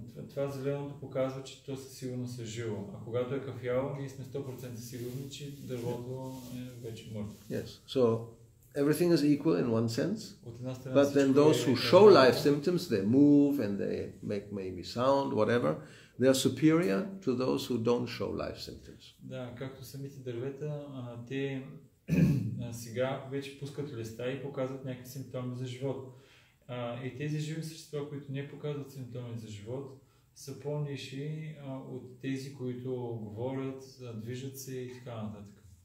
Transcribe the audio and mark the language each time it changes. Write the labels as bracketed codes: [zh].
[bg] Това зеленото показва, че то със сигурност е живо, а когато е кафяло, ние сме 100% сигурни, че дървото е вече мъртво. [en] Yes, so everything is equal in one sense, [bg] от една страна, [en] but then those who show life symptoms, they move and they make maybe sound, whatever, They are superior to those who don't show life symptoms. [bg] Да, както самите дървета, те сега вече пускат листа и показват някакви симптоми за живот. И тези живи същества, които не показват симптоми за живот, са по-ниши от тези, които говорят, движат се и така нататък.